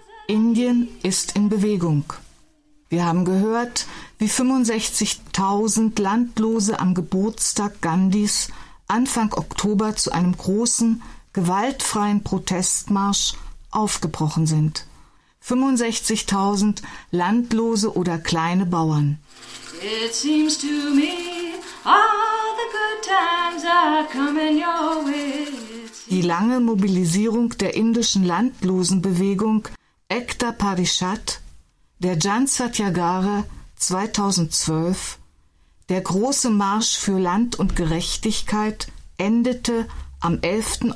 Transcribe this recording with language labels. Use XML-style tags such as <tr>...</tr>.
<de>Indien ist in Bewegung. Wir haben gehört, wie 65.000 Landlose am Geburtstag Gandhis Anfang Oktober zu einem großen, gewaltfreien Protestmarsch aufgebrochen sind. 65.000 Landlose oder kleine Bauern.</de> <en>It seems to me, times are coming your way.</en> <de>Die lange Mobilisierung der indischen Landlosenbewegung Ekta Parishad, der Jan Satyagraha 2012, der große Marsch für Land und Gerechtigkeit endete am 11.</de>